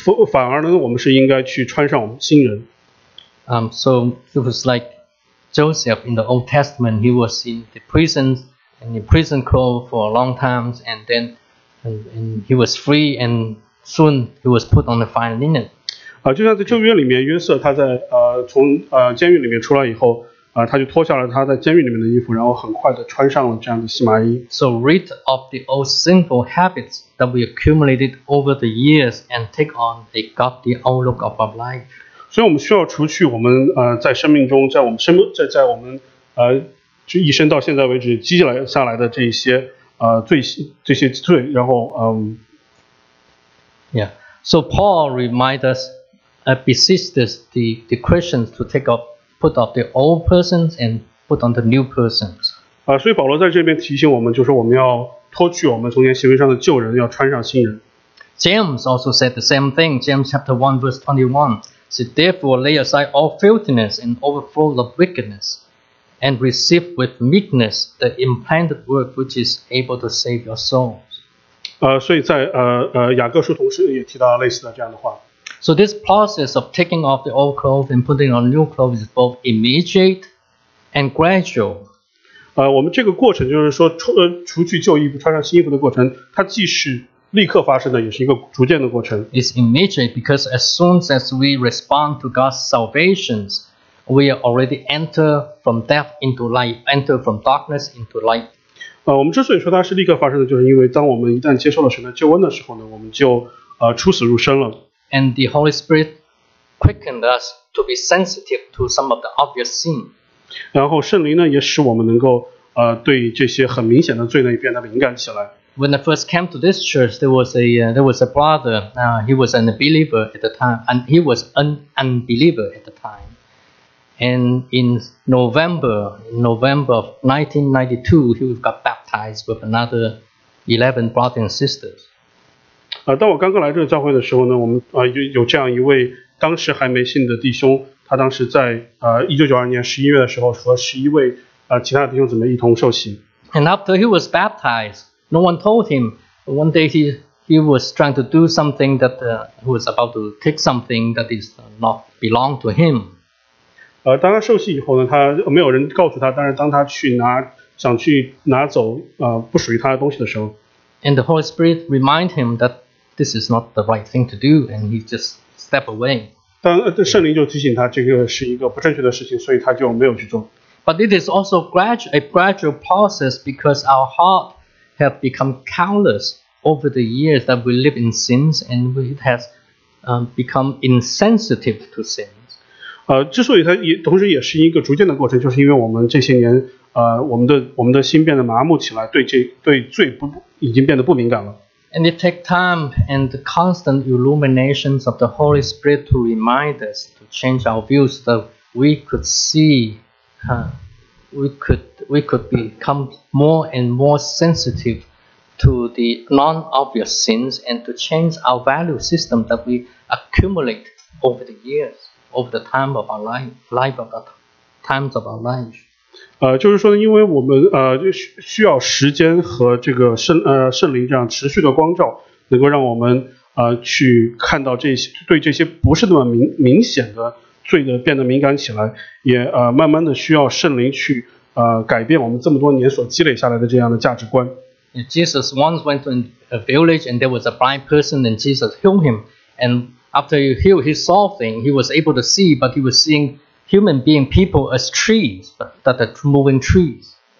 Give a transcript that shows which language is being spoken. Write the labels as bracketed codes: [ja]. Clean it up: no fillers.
[zh] 反而呢，我们是应该去穿上我们新人。 [en] So it was like Joseph in the Old Testament, he was in the prison and in prison clothes for a long time, and then and he was free, and soon he was put on the fine linen. [zh] 就像在旧约里面，约瑟他在从监狱里面出来以后，他就脱下了他在监狱里面的衣服，然后很快的穿上了这样的细麻衣。 [en] So rid of the old sinful habits that we accumulated over the years and take on a godly outlook of our life. [zh] 所以我们需要除去我们在生命中，在我们生在我们就一生到现在为止积累下来的这一些这些罪，然后 [en] Yeah. So Paul reminds us, beseeches the Christians to put off the old persons and put on the new persons. [zh] 所以保罗在这边提醒我们，就是我们要脱去我们从前行为上的旧人，要穿上新人。 [en] James also said the same thing. James 1:21 said, "Therefore lay aside all filthiness and overflow of wickedness, and receive with meekness the implanted word which is able to save your soul." [zh] 所以在雅各书同时也提到类似的这样的话。 [en] So this process of taking off the old clothes and putting on new clothes is both immediate and gradual. [zh] 我们这个过程就是说除去旧衣服穿上新衣服的过程，它既是立刻发生的，也是一个逐渐的过程。 [en] It's immediate because as soon as we respond to God's salvation, we are already enter from death into light, enter from darkness into light. [zh] 我们之所以说它是立刻发生的，就是因为当我们一旦接受了神的救恩的时候呢，我们就出死入生了。 [en] And the Holy Spirit quickened us to be sensitive to some of the obvious sin. [zh] 然后圣灵呢，也使我们能够对这些很明显的罪呢，也变得敏感起来。 [en] When I first came to this church, there was a brother. He was an unbeliever at the time, and he was an unbeliever at the time. And in November of 1992, he got baptized with another 11 brothers and sisters. [zh] 当我刚刚来这个教会的时候呢，我们有这样一位当时还没信的弟兄，他当时在1992年11月的时候和11位其他的弟兄姊妹一同受洗。 [en] And after he was baptized, no one told him. One day he was trying to do something that he was about to take something that is not belong to him. [zh] 当他受洗以后呢，他没有人告诉他，但是当他想去拿走不属于他的东西的时候 [en] ，And the Holy Spirit remind him that. This is not the right thing to do, and he just step away. [zh] 但圣灵就提醒他，这个是一个不正确的事情，所以他就没有去做。 [en] But it is also a gradual process because our heart has become callous over the years that we live in sins, and it has become insensitive to sins. [zh] 之所以它也同时也是一个逐渐的过程，就是因为我们这些年我们的心变得麻木起来，对罪不已经变得不敏感了。 [en] And it takes time and the constant illuminations of the Holy Spirit to remind us to change our views so that we could see, we could become more and more sensitive to the non-obvious sins and to change our value system that we accumulate over the years, over the time of our life, of the times of our life. [zh] 就是说因为我们需要时间和这个圣灵这样持续的光照，能够让我们去看到这些对这些不是那么明显的罪的变得敏感起来，也慢慢的需要圣灵去改变我们这么多年所积累下来的这样的价值观。 [en] Jesus once went to a village and there was a blind person and Jesus healed him. And after he healed, he saw things. He was able to see, but he was seeing human being, people as trees, but that are moving trees.